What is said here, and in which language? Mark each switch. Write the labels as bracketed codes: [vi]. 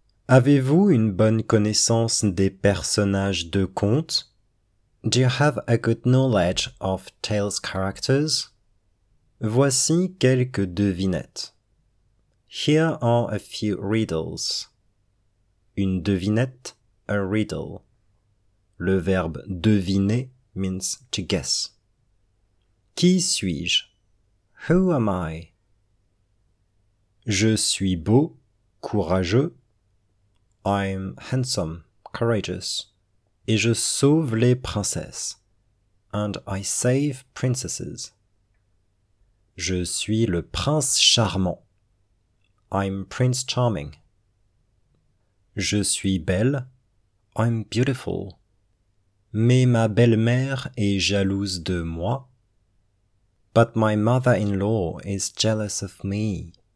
[fr] Avez-vous une bonne connaissance des personnages de contes? [en] Do you have a good knowledge of tales characters? [fr] Voici quelques devinettes. [en] Here are a few riddles. [fr] Une devinette, [en] a riddle. [fr] Le verbe deviner [en] means to guess. [fr] Qui suis-je? [en] Who am I? [fr] Je suis beau, courageux. [en] I'm handsome, courageous. [fr] Et je sauve les princesses. [en] And I save princesses. [fr] Je suis le prince charmant. [en] I'm Prince Charming. [fr] Je suis belle. [en] I'm beautiful. [fr] Mais ma belle-mère est jalouse de moi. [en] But my mother-in-law is jealous of me.